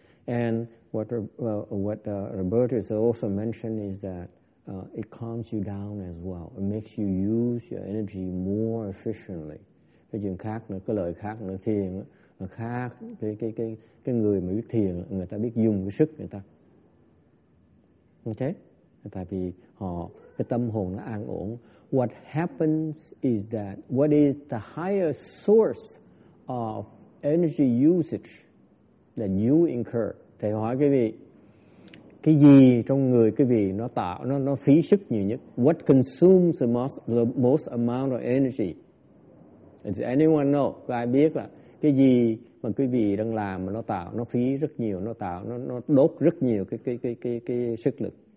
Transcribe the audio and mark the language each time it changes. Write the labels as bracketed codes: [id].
[en] And what Roberta has also mentioned is that it calms you down as well. It makes you use your energy more efficiently. [vi] Cái chuyện khác nữa, cái lời khác nữa, thiền nó khác. Cái người mà biết thiền, người ta biết dùng cái sức người ta. Okay? Tại vì họ cái tâm hồn nó an ổn. [en] What happens is that what is the highest source of energy usage that you incur? [vi] Thầy hỏi quý vị, cái gì trong người quý vị nó tạo, nó phí sức nhiều nhất? [en] What consumes the most amount of energy? Does anyone know? [vi] Có ai biết là cái gì mà quý vị đang làm mà nó tạo, nó phí rất nhiều, nó tạo, nó đốt rất nhiều cái sức lực?